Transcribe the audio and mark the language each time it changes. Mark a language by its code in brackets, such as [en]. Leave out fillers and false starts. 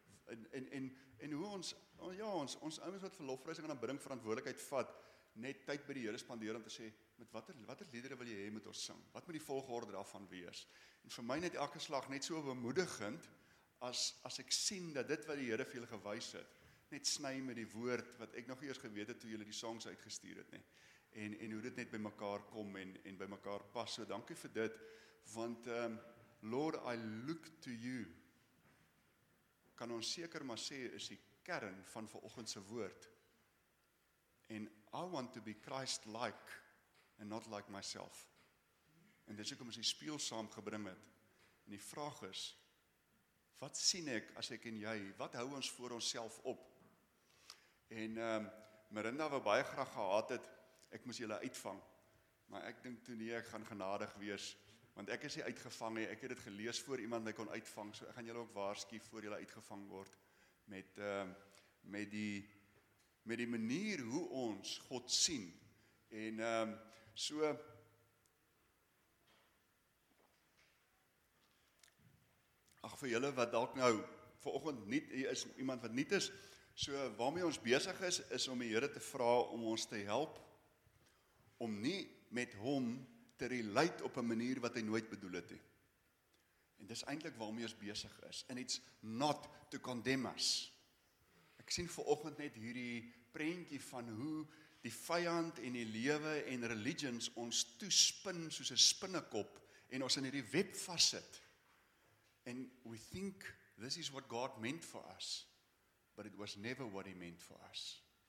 [af] En hoe ons ouens wat vir lofprysing en aanbidding verantwoordelikheid vat, net tyd by die Here spandeer om te sê met watter liedere wil jy hê moet ons sing? Wat moet die volgorde daarvan wees? En vir my net elke slag net so bemoedigend as ek sien dat dit wat die Here vir julle gewys het, net sny met die woord wat ek nog eers geweet het toe julle die songs uitgestuur het nie. En hoe dit net by mekaar kom en by mekaar pas. So dankie vir dit, want [en] Lord, I look to you. [af] Kan ons seker maar sê is die kern van vanoggend se woord. En [en] I want to be Christ-like and not like myself. [af] En dis hoekom ons die speel saamgebring het. En die vraag is, wat sien ek as ek en jy, wat hou ons voor onsself op? En Mirinda wou baie graag gehad het, ek moes julle uitvang. Maar ek dink toe nee, ek gaan genadig wees, want ek is nie uitgevang nie. Ek het dit gelees voor iemand my kon uitvang, so ek gaan julle ook waarsku voor julle uitgevang word met die manier hoe ons God sien. En so ag vir julle wat dalk nou vanoggend nie is iemand wat nie is, so waarmee ons besig is is om die Here te vra om ons te help om nie met hom te relate op 'n manier wat hy nooit bedoel het nie. En dis eintlik waarmee ons besig is, [en] and it's not to condemn us. [af] Ek sien vanoggend net hierdie prentjie van hoe die vyand en die lewe en religions ons toespin soos 'n spinnekop en ons in hierdie web vassit. [en] And we think this is what God meant for us, but it was never what he meant for us.